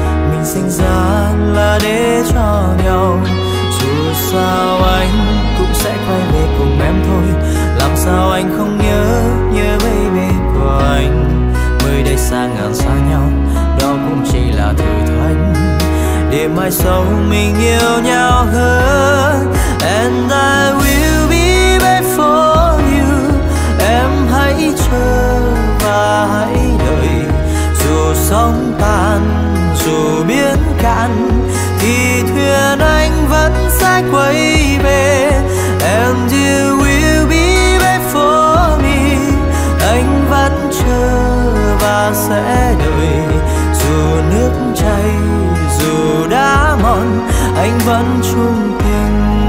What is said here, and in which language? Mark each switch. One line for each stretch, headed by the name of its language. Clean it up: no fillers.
Vietnamese: Mình sinh ra là để cho nhau, dù sao anh cũng sẽ quay về cùng em thôi. Làm sao anh không nhớ, nhớ baby của anh. Mười đây xa ngàn xa nhau, đó cũng chỉ là thử thách. Để mai sau mình yêu nhau hơn.
English: And I will be there for you.
Vietnamese: Em hãy chờ và hãy đợi. Dù sóng tan, dù biến cạn, thì thuyền anh vẫn sẽ quay về.
English: And you will be there for me.
Vietnamese: Anh vẫn chờ và sẽ đợi. Dù nước chảy, dù đã mòn, anh vẫn chung tình.